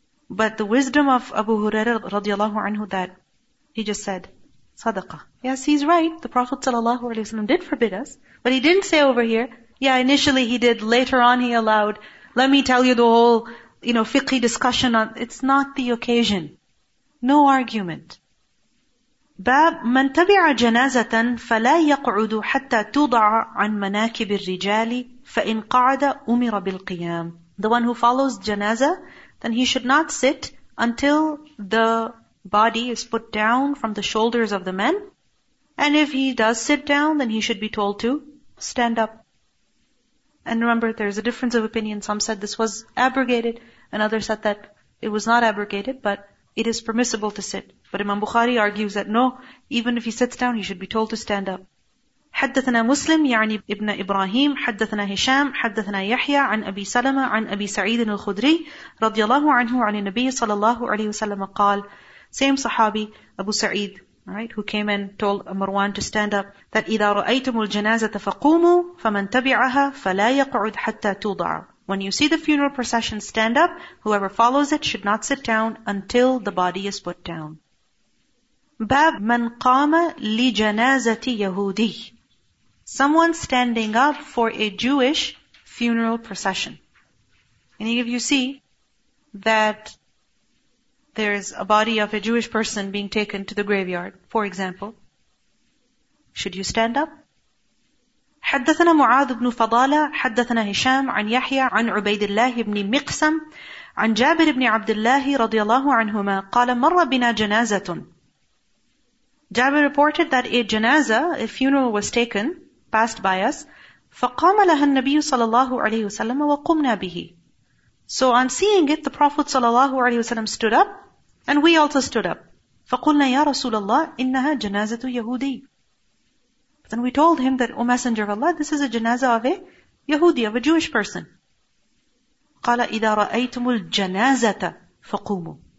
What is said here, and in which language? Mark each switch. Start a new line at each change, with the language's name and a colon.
English: But the wisdom of Abu Hurairah radiallahu anhu, that he just said, Sadaqah. Yes, he's right. The Prophet ﷺ did forbid us. But he didn't say over here, yeah, initially he did, later on he allowed. Let me tell you the whole, you know, fiqhi discussion on, it's not the occasion. No argument.
Arabic: Bab, من تبع جنازة فلا يقعد حتى توضع عن مناكب الرجال فإن قعد أمر بالقيام.
English: The one who follows janazah, then he should not sit until the body is put down from the shoulders of the men. And if he does sit down, then he should be told to stand up. And remember, there's a difference of opinion. Some said this was abrogated, and others said that it was not abrogated, but it is permissible to sit. But Imam Bukhari argues that no, even if he sits down, he should be told to stand up.
Arabic: حدثنا مسلم يعني ابن إبراهيم حدثنا هشام حدثنا يحيى عن أبي سلمة عن أبي سعيد الخدري رضي الله عنه عن النبي صلى الله عليه وسلم قال.
English: Same Sahabi, Abu Sa'id, right, who came and told Marwan to stand up, that
Arabic: إِذَا رَأَيْتُمُ الْجَنَازَةَ فَقُومُوا فَمَنْ تَبِعَهَا فَلَا يَقْعُدْ حَتَّى تُوضَعَ.
English: When you see the funeral procession, stand up. Whoever follows it should not sit down until the body is put down.
Arabic: باب من قام لجنازة يهودي.
English: Someone standing up for a Jewish funeral procession. Any of you see that there is a body of a Jewish person being taken to the graveyard, for example. Should you stand up?
Arabic: حدثنا معاذ بن فضالة حدثنا هشام عن يحيى عن عبيد الله بن مقسم عن جابر بن عبد الله رضي الله عنهما قال مر بنا جنازة.
English: Jabir reported that a janazah, a funeral was taken, passed by us.
Arabic: فقام لها النبي صلى الله عليه وسلم وقمنا به.
English: So on seeing it, the Prophet صلى الله عليه وسلم stood up, and we also stood up.
Arabic: فَقُلْنَا يَا رَسُولَ اللَّهِ إِنَّهَا جَنَازَةُ يَهُودِي.
English: Then we told him that, O Messenger of Allah, this is a janazah of a Yahudi, of a Jewish person.
Arabic: قَالَ إِذَا رَأَيْتُمُ الْجَنَازَةَ فَقُومُوا.